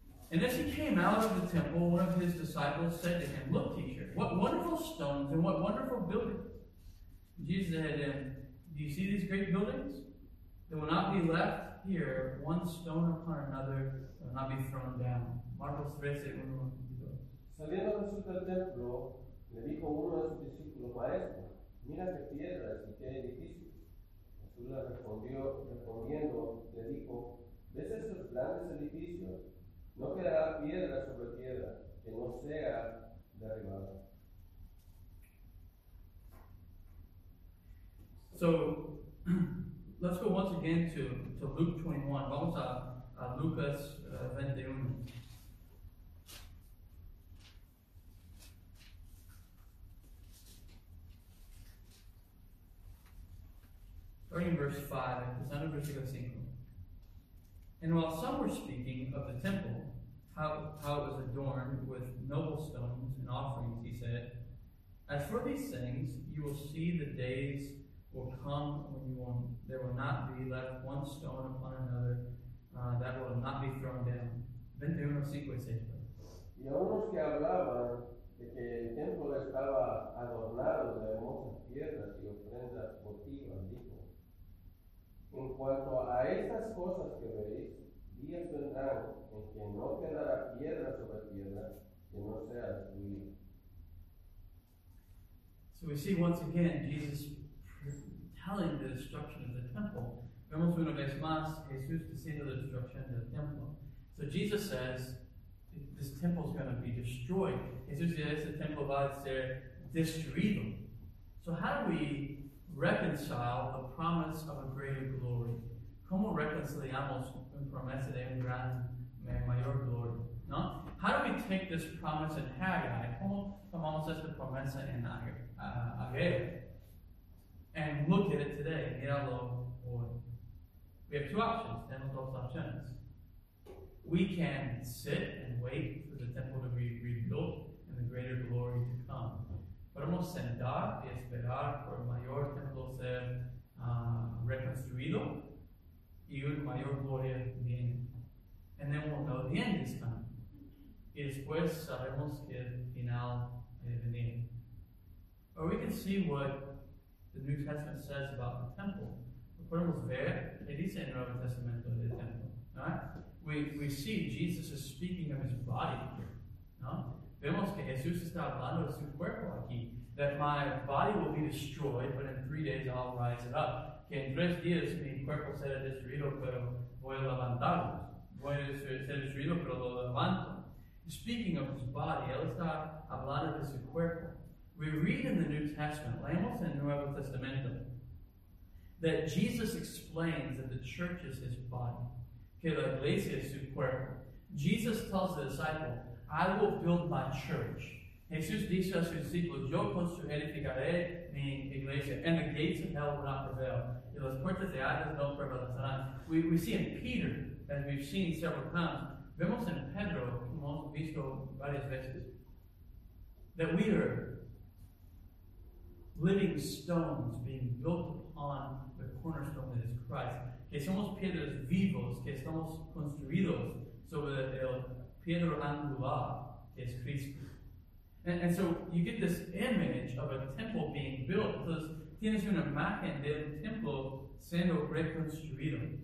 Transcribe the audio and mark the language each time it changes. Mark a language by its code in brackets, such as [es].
[en] And as he came out of the temple, one of his disciples said to him, "Look, teacher, what wonderful stones and what wonderful buildings." Jesus said to him, "Do you see these great buildings? There will not be left here one stone upon another that will not be thrown down." [es] Marcos 13, 1 and 2. Saliendo Jesús del templo, le dijo uno de sus discípulos, "Maestro, mira qué piedras y qué edificios." Jesús le respondió, respondiendo, le dijo, "¿Ves esos grandes edificios? No quedará piedra sobre piedra que no sea derribada." [en] So, let's go once again to Luke 21. [es] Vamos a Lucas 21. [en] Starting verse 5, and presented versículo 5. And while some were speaking of the temple, how it was adorned with noble stones and offerings, he said, "As for these things, you will see the days will come when there will not be left one stone upon another that will not be thrown down." 21, 5, 6. [es] Y algunos que hablaban de que el templo estaba adornado de hermosas piedras y ofrendas votivas, dijo, "En cuanto a esas cosas que veis, días vendrán en que no quedará piedra sobre piedra que no sea destruida." [en] So we see once again Jesus telling the destruction of the temple. [es] Vemos una vez más Jesús diciendo la destrucción del templo. [en] So Jesus says, this temple is going to be destroyed. [es] Jesús dice, este templo va a ser destruido. [en] So how do we reconcile the promise of a greater glory? [es] ¿Cómo reconciliamos una promesa de un gran mayor gloria? ¿No? [en] How do we take this promise in Haggai? [es] ¿Cómo tomamos esta promesa en Haggai? [en] And look at it today. [es] Míralo hoy. [en] We have two options. [es] Tenemos dos opciones. [en] we can sit and wait for the temple to be rebuilt and the greater glory to come. [es] Podemos sentar y esperar por el mayor templo ser reconstruido y una mayor gloria viene. [en] And then when the end is coming, [es] y después sabemos que el final viene. [en] Or we can see what the New Testament says about the temple. [es] Podemos ver qué dice en el Nuevo Testamento del templo. [en] We see Jesus is speaking of his body here. No? [es] Vemos que Jesús está hablando de su cuerpo aquí. [en] That my body will be destroyed, but in 3 days I'll rise it up. [es] Que en 3 días mi cuerpo será destruido, pero voy a levantarlo. Voy a ser destruido, pero lo levanto. [en] Speaking of his body, [es] él está hablando de su cuerpo. [en] We read in the New Testament, [es] leemos en Nuevo Testamento, [en] that Jesus explains that the church is his body. Que la iglesia es su cuerpo. Jesus tells the disciple, I will build my church. [es] Jesús dice a sus discípulos, yo construiré mi iglesia, [en] and the gates of hell will not prevail. [es] Y las puertas de Hades no prevalecerán. [en] We see in Peter, as we've seen several times, [es] vemos en Pedro, como hemos visto varias veces, [en] that we are living stones being built upon the cornerstone that is Christ. [es] Que somos piedras vivos, que estamos construidos sobre el piedra angular, que es Cristo. [en] And so you get this image of a temple being built. [es] Entonces, tienes una imagen del templo siendo reconstruido.